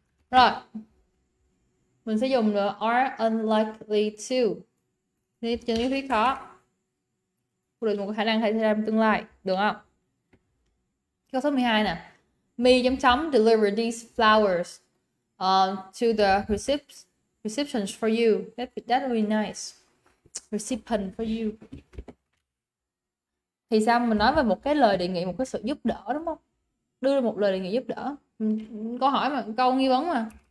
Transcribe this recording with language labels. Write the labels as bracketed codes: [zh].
[vi] Rồi mình sẽ dùng là are unlikely to để cho những thuyết khó phủ định một cái khả năng có thể xảy ra trong tương lai, được không? Câu số 12 nè. [en] Me [vi] chấm chấm [en] deliver these flowers to the receptions for you. That would be nice. Recipient for you. [vi] Thì sao mình nói về một cái lời đề nghị, một cái sự giúp đỡ đúng không? Đưa ra một lời đề nghị giúp đỡ. Câu hỏi mà, câu nghi vấn mà.